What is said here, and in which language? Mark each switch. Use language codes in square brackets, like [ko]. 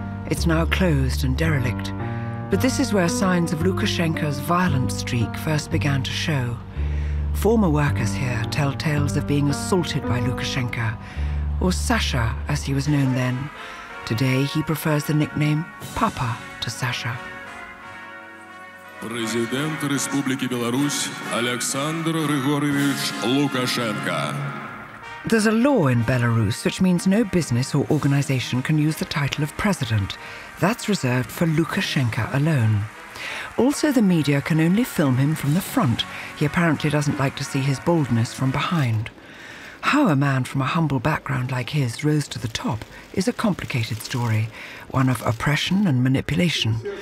[ru] It's now closed and derelict. But this is where signs of Lukashenko's violent streak first began to show. Former workers here tell tales of being assaulted by Lukashenko, or Sasha, as he was known then. Today, he prefers the nickname Papa to Sasha. Президент Республики Беларусь Александр Григорьевич Лукашенко. [en] There's a law in Belarus which means no business or organization can use the title of president. That's reserved for Lukashenko alone. Also, the media can only film him from the front. He apparently doesn't like to see his baldness from behind. How a man from a humble background like his rose to the top is a complicated story, one of oppression and manipulation.